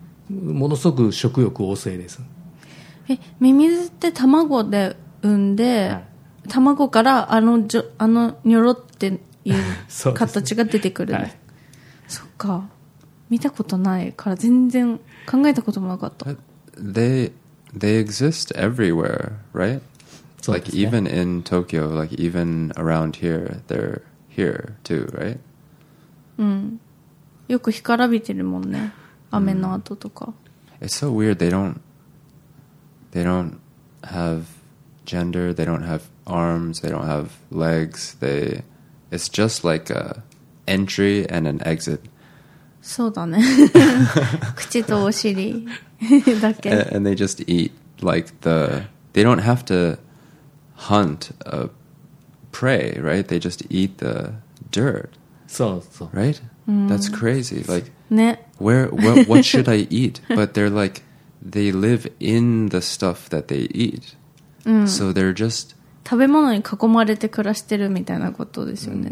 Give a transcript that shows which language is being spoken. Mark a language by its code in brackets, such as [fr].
[ja] ものすごく食欲旺盛です。ミミズって卵で産んで、はい、卵からあのじょあのニョロっていう形が出てくるんです。そうですね。はい、そっか、見たことないから全然考えたこともなかった。 [en] They exist everywhere, right? [ja] そうですね。 [en] Like even in Tokyo, like even around here, they're here too, right? [ja] うん。よく干からびてるもんね、雨の後とか。 [en] It's so weird. They don't have gender. They don't have arms. They don't have legs. It's just like a entry and an exit. [ja] そうだね。口とお尻だけ。 [en] And they just eat like the. They don't have to hunt a prey, right? They just eat the dirt. [ja] そうそう。 [en] Right? That's crazy. Like,、 [ja] ね、 [en] what should I eat? But they're like, they live in the stuff that they eat.、 [ja] うん、 [en] so they're just. [ja] 食べ物に囲まれて暮らしてるみたいなことですよね。